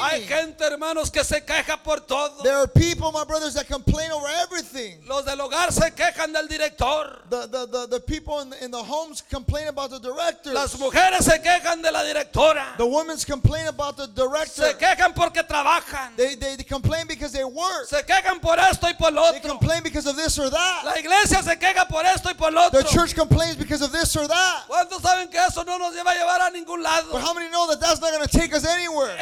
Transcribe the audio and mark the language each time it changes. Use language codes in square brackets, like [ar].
[es] Hay gente, hermanos, que se queja por todo. [en] There are people, my brothers, that complain over everything. [es] Los del hogar se quejan del director. [en] The people in the homes complain about the directors. [es] Las mujeres se quejan de la directora. [en] The women complain about the director. [es] Se quejan porque trabajan. [en] They complain because they work. [es] Se quejan por esto y por lo otro. [en] They complain because of this or that. [es] La iglesia se queja por esto y por lo otro. [en] The church complains because of this or that. [es] ¿Cuántos saben que eso no nos lleva a llevar a ningún lado? [en] But how many know that that's not going to take us anywhere?